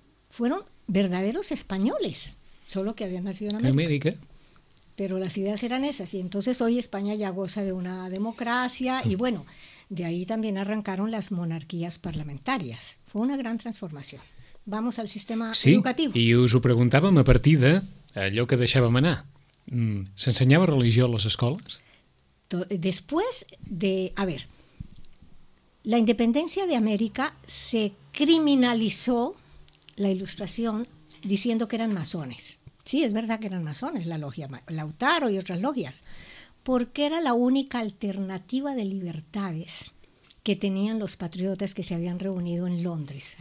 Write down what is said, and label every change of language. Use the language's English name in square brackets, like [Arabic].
[Spanish] Fueron verdaderos españoles, solo que habían nacido en América. América. Pero las ideas eran esas, y entonces hoy España ya goza de una democracia, y bueno, de ahí también arrancaron las monarquías parlamentarias. Fue una gran transformación. Vamos al sistema educativo. [Catalan] Sí, i us ho preguntàvem a partir d'allò que deixàvem anar. ¿S'ensenyava religió a les escoles? [Spanish] Después de... A ver, la independencia de América se criminalizó la ilustración diciendo que eran masones. Sí, es verdad que eran masones, la logia Lautaro y otras logias, porque era la única alternativa de libertades que tenían los patriotas que se habían reunido en Londres.